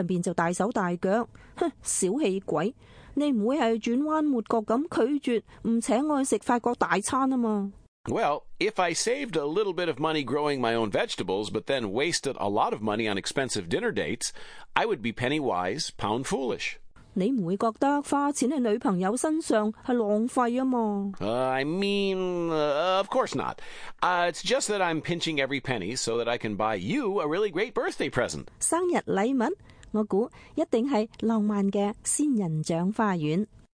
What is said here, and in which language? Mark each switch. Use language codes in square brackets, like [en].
[zh] 哦,就是说在小钱上精打细算,在大钱上就大手大脚,小气鬼。你不会是转弯抹角地拒绝,不请我去吃法国大餐吗? [en] Well, if I saved a little bit of money growing my own vegetables, but then wasted a lot of money on expensive dinner dates, I would be penny wise, pound foolish. [zh] 你不会觉得花钱在女朋友身上是浪费吗? [en] Of course not. It's just that I'm pinching every penny so that I can buy you a really great birthday present. [zh] 生日礼物,我猜一定是浪漫的仙人掌花园。